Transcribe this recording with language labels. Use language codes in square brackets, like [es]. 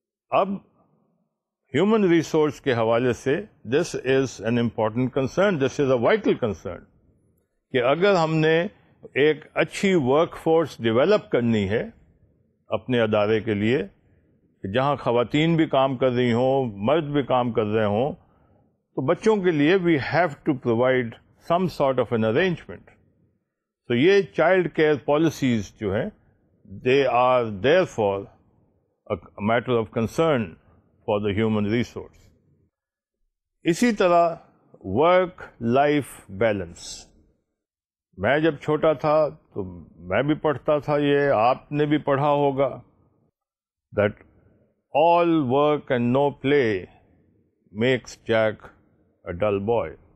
[ur] اب human resource کے حوالے سے [en] this is an important concern, this is a vital concern, [ur] کہ اگر ہم نے ایک اچھی ورک فورس ڈیولپ کرنی ہے اپنے ادارے کے لیے کہ جہاں خواتین بھی کام کر رہی ہوں, مرد بھی کام کر رہے ہوں, تو بچوں کے لیے [en] We have to provide some sort of an arrangement. [ur] تو یہ چائلڈ کیئر پالیسیز جو ہیں [en] They are there for a matter of concern for the human resource. [ur] اسی طرح ورک لائف بیلنس, میں جب چھوٹا تھا تو میں بھی پڑھتا تھا, یہ آپ نے بھی پڑھا ہوگا, [en] That all work and no play makes Jack a dull boy.